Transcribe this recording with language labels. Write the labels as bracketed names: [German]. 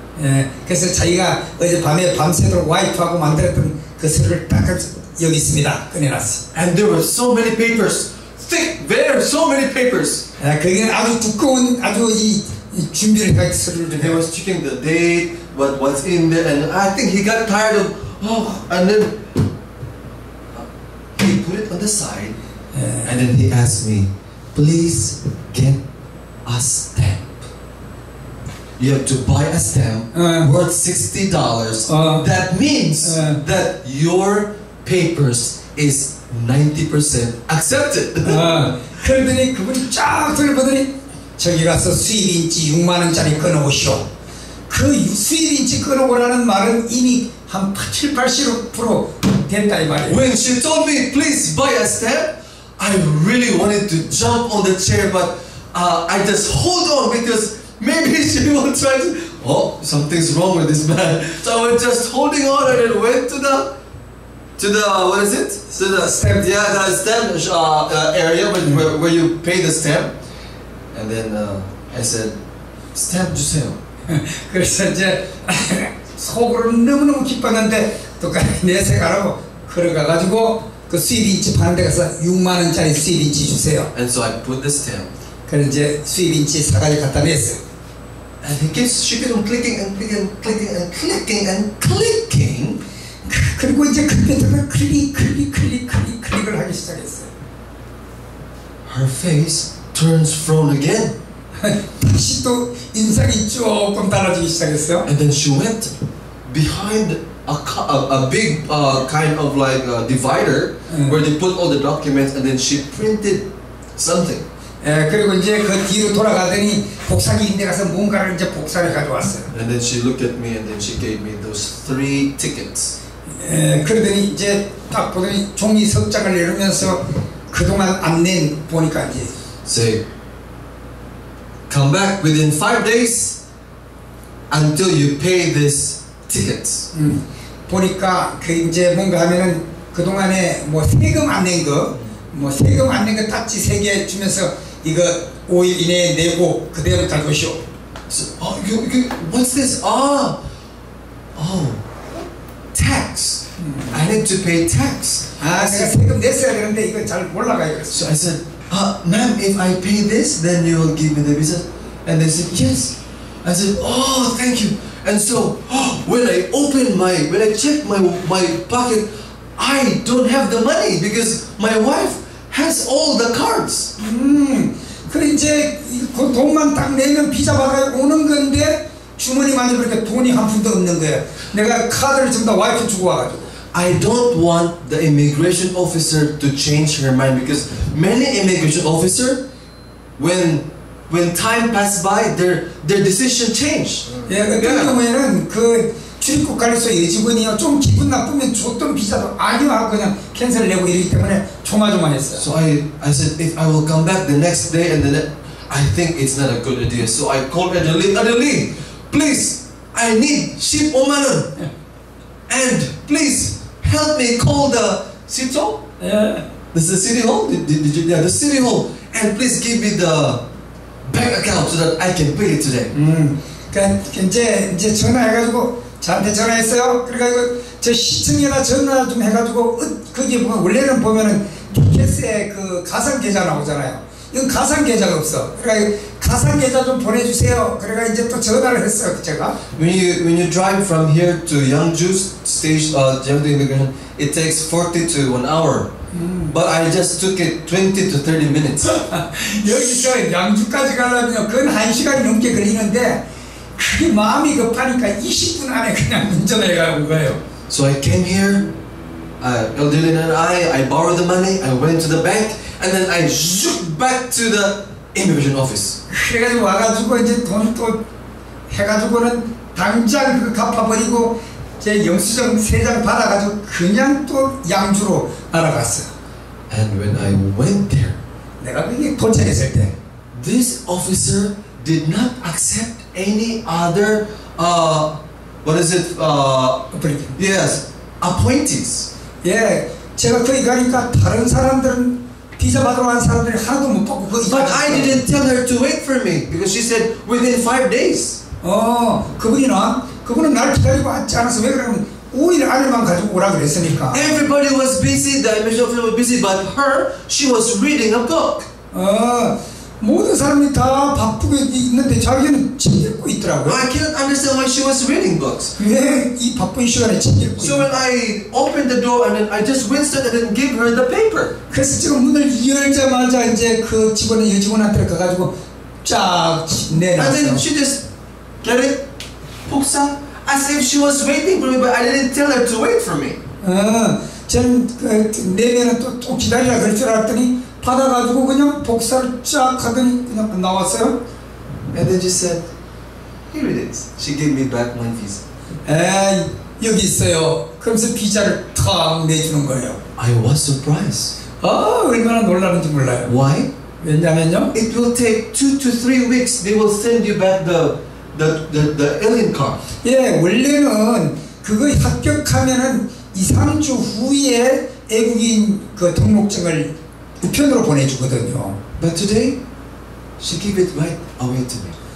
[Korean] 예, 그래서 자기가 어젯밤에 밤새도록 와이프하고 만들었던 그 서류를 딱 여기 있습니다. 꺼내놨어. [English] And there were so many papers. Thick, very, so many papers. [Korean] 예, 그게 아주 두꺼운, 아주 이 준비를 해가지고 서류를. [English] They were checking the date, what's in there, and I think he got tired of, oh, and then he put it on the side, and then he asked me, please get a stamp. You have to buy a stamp worth $60. That means that your papers is 90% accepted. [Korean] 그러더니 그분이 쫙 돌려보더니 저기 가서 수입인지 6만원짜리 끊어오시오. 그 수입인지 끊어오라는 말은 이미 한 70-80% 됐다 이 말이에요. [English] When she told me please buy a stamp, I really wanted to jump on the chair, but I just hold on because maybe she will try to, oh, something's wrong with this man. So I was just holding on and it went to the what is it? So the stamp. Yeah, the stamp area where you pay the stamp. And then I said, stamp [Korean] 주세요. 그래서 이제 속으로 너무너무 기뻤는데 똑같이 내색하라고 걸어가가지고 그 수입인치 반대 가서 6만 원짜리 수입인치 주세요. [English] And so I put the stamp. [Korean] 그래서 이제 수입인치 사가지고 갖다 냈어요. [English] And she kept on clicking and clicking and clicking and clicking and clicking. [Korean] 그리고 이제 그때부터 클릭을 하기 시작했어요. [English] Her face turns frown again. [Korean] 다시 또 인상이 조금 달라지기 시작했어요. [English] And then she went behind a big kind of like a divider where they put all the documents and then she printed something. [Korean] 예, 그리고 이제 그 뒤로 돌아가더니 복사기 인데 가서 뭔가를 이제 복사를 가져왔어요. [English] And then she looked at me and then she gave me those three tickets. [Korean] 그러더니 이제 딱 보더니 종이 석장을 내리면서 그동안 안 낸 보니까 이제 [English] say come back within 5 days until you pay this ticket. [Korean] 보니까 그 이제 뭔가 하면은 그동안에 뭐 세금 안 낸 거 뭐 세금 안 낸 거 딱지 세 개 주면서 이거 5일 이내에 내고 그대로 달고시오. [English] So, oh, you what's this? Tax. I need to pay tax. [Korean] 아, 내가 세금 냈어야 되는데 이거 잘 몰라가요. [English] So I said, ma'am, if I pay this, then you will give me the visa. And they said, yes. I said, oh, thank you. And so when I opened when I checked my pocket, I don't have the money because my wife has all the cards. [Korean] 그래 이제 그 돈만 딱 내면 비자 받아서 오는 건데. 주머니만 이렇게 돈이 한 푼도 없는 거야. 내가 카드를 전부 다 와이프 주고 와가지고. [English] I don't want the immigration officer to change her mind because many immigration officer, when time pass by, their decision change. [Korean] 예, 그런 경우에는 그 출입국 관리소 예직원이요 좀 기분 나쁘면 줬던 비자도 아니요 하고 그냥 캔슬을 내고 이러기 때문에 조마조마했어요. [English] So I said if I will come back the next day and then I think it's not a good idea. So I called Adeline. Please, I need ship 5만원. And please help me call the city hall. Yeah. This is the city hall. Yeah, the city hall. And please give me the bank account so that I can pay it today. [Korean] 이제 전화해가지고 저한테 전화했어요. 그래가지고 저 시청에다 전화 좀 해가지고 그게 뭐 원래는 보면은 TKS에 그 가상 계좌 나오잖아요. 이건 가상 계좌가 없어. 그러니까 가상 계좌 좀 보내주세요. 그래가 이제 또 전화를 했어요, 제가. [English] When you drive from here to Yeongju Station, Jeonju Immigration, it takes 40 to 1 hour. But I just took it 20 to 30 minutes. [Korean] 여기서 양주까지 가려면 그건 한 시간 넘게 걸리는데 그게 마음이 급하니까 20분 안에 그냥 운전을 해가고 가요. [English] So I came here. Eldilin and I borrowed the money. I went to the bank. And then I zoomed back to the immigration office. [Korean] 그래가지고 와가지고 이제 돈 또 해가지고는 당장 그 갚아버리고 제 영수증 세 장 받아가지고 그냥 또 양주로 날아갔어. [English] And when I went there, [Korean] 내가 거기 도착했을 때, [English] this officer did not accept any other appointees. [Korean] 예, 제가 거기 가니까 다른 사람들은 비자 받으러 온 사람들이 하나도 못 받고 그 [English] But I didn't tell her to wait for me because she said within 5 days. [Korean] 그분은 날 기다리고 왔지 않아서 왜 그러면 5일 안에만 가지고 오라 그랬으니까. [English] Everybody was busy. The immigration officer was busy, but her, she was reading a book. [Korean] 모든 사람이 다 바쁘게 있는데 자기는 책 읽고 있더라고요. [English] I cannot understand why she was reading books. [Korean] 왜 이 바쁜 시간에 책 읽고 [English] 있어요? So when I opened the door and then I just winced and then gave her the paper. [Korean] 그래서 지금 문을 열자마자 이제 그 직원의 여직원한테 가가지고 쫙 내놨어요. [English] And then she just get it, 폭삭 as if she was waiting for me, but I didn't tell her to wait for me. [Korean] 전 그 내면은 또 기다리라 그럴 줄 알았더니 받아가지고 그냥 복사를 쫙 하더니 그냥 나왔어요. [English] And then she said, "Here it is." She gave me back my visa. [Korean] 에이 여기 있어요. 그러면서 비자를 탁 내주는 거예요. [English] I was surprised. [Korean] 아 얼마나 놀랐는지 몰라요. [English] Why? [Korean] 왜냐면요. [English] It will take 2 to 3 weeks. They will send you back the alien card. [Korean] 예 원래는 그거 합격하면은 2-3주 후에 외국인 그 등록증을 우편으로 보내주거든요. [English] But today, she gave it right away to me.